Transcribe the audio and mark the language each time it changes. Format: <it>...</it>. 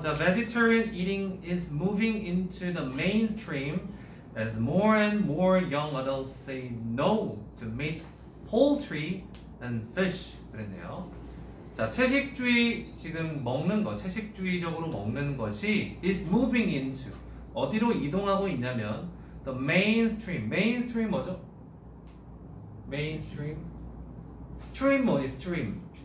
<en>자, vegetarian eating is moving into the mainstream as more and more young adults say no to meat, poultry, and fish.</en> <ko>그랬네요. 자, 채식주의 지금 먹는 거, 채식주의적으로 먹는 것이</ko> <en>is moving into</en> <ko>어디로 이동하고 있냐면</ko> <en>the mainstream, mainstream</en> <ko>뭐죠?</ko> <en>mainstream, stream 뭐 is stream?</en>